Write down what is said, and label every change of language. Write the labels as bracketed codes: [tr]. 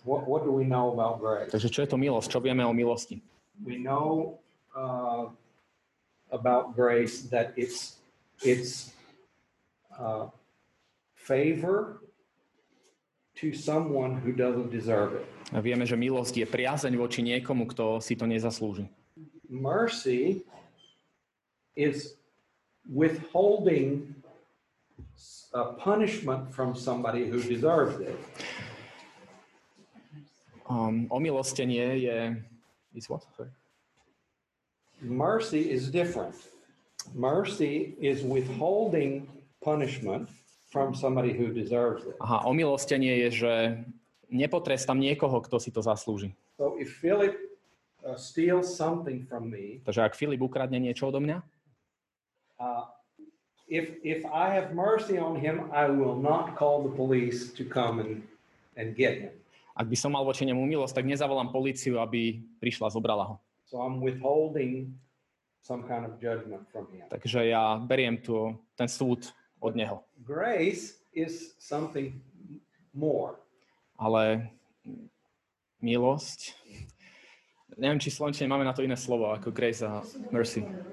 [en] What do we know about grace? [sk] Takže čo je to milosť? Čo vieme o milosti? [en] We know about grace that it's favor to someone who doesn't deserve it. [sk] A vieme, že milosť je priazeň voči niekomu, kto si to nezaslúži. [en] Mercy is withholding a punishment from somebody who deserves it. [sk] Omilostenie je [en] is what? Sorry. Mercy is different. Mercy is withholding punishment from somebody who deserves it. [sk] Aha, omilostenie je, že nepotrestám niekoho, kto si to zaslúži. [en] So if Philip steals something from me. [sk] Takže ak Filip ukradne niečo odo mňa? [en] If I have mercy on him, I will not call the police to come and get him. [sk] Ak by som mal voči nemu milosť, tak nezavolám políciu, aby prišla, zobrala ho. [en] So I'm withholding some kind of judgment from him. [sk] Takže ja beriem tu ten súd od neho. [en] Grace is something more. [sk] Ale milosť. Neviem, či slovenčine máme na to iné slovo ako grace a mercy.